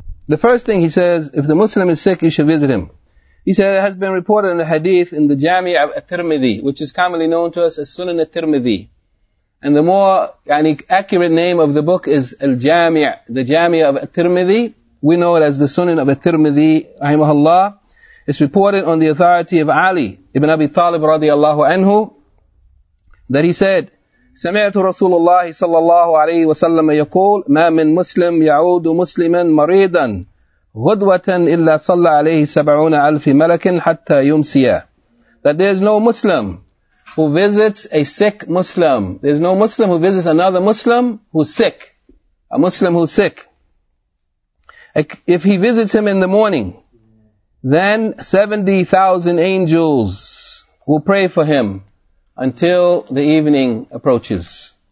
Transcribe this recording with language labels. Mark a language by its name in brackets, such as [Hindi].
[English] The first thing he says, if the Muslim is sick, you should visit him. He said, it has been reported in the hadith in the Jami' of At-Tirmidhi, which is commonly known to us as Sunan At-Tirmidhi. And the more accurate name of the book is Al-Jami', the Jami' of At-Tirmidhi. We know it as the Sunan of At-Tirmidhi, rahimahullah. It's reported on the authority of Ali ibn Abi Talib radiallahu anhu, that he said, [Arabic] سمعت رسول الله صلى الله عليه وسلم يقول ما من مسلم يعود مسلما مريضا غدوة إلا صلى عليه سبعون ألف ملك حتى يمسيا. [English] That there is no Muslim who visits a sick Muslim. There is no Muslim who visits another Muslim who's sick. A Muslim who's sick. If he visits him in the morning, then 70,000 angels will pray for him until the evening approaches.